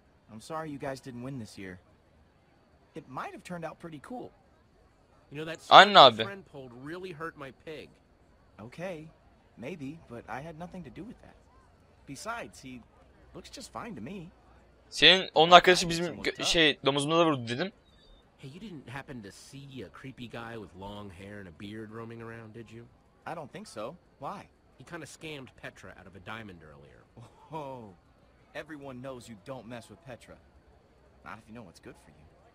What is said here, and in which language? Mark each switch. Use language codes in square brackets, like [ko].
[en] I'm sorry you guys didn't win this year. It might have turned out pretty cool. You know that stuff my friend pulled really hurt my pig. Okay, maybe, but I had nothing to do with that. Besides, he looks just fine to me. [tr] Senin onun arkadaşı bizim şey domuzumuza vurdu dedim. [en] Hey, you didn't happen to see a creepy guy with long hair and a beard roaming around, did you? I don't think so. Why? He kind of scammed Petra out of a diamond earlier. Oh, everyone knows you don't mess with Petra. Not if you know what's good for you.